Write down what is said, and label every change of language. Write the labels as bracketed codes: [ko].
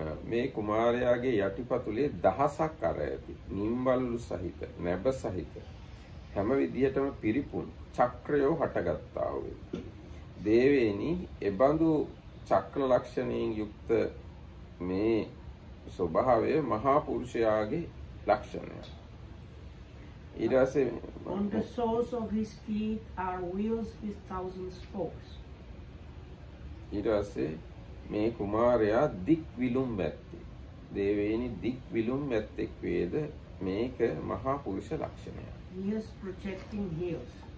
[si] මේ කුමාරයාගේ යටිපතුලේ දහසක් අර ඇති නිම්බල්ලු සහිත, නැබ සහිත, හැම විදිහටම පිරිපුන් චක්‍රයෝ හටගත්තා වේ. දේවේනි, එබඳු චක්‍ර ලක්ෂණයෙන් යුක්ත මේ ස්වභාවය මහා පුරුෂයාගේ ලක්ෂණය. ඊට පස්සේ [en] on the soles of his feet are wheels with thousand spokes. [si] ඊට පස්සේ මේ කුමාරයා දික් විලුම් මැත්තේ. දේවේනි දික් විලුම් මැත්තේක් වේද මේක මහා පුරුෂ ලක්ෂණය. [en] Heels projecting heels.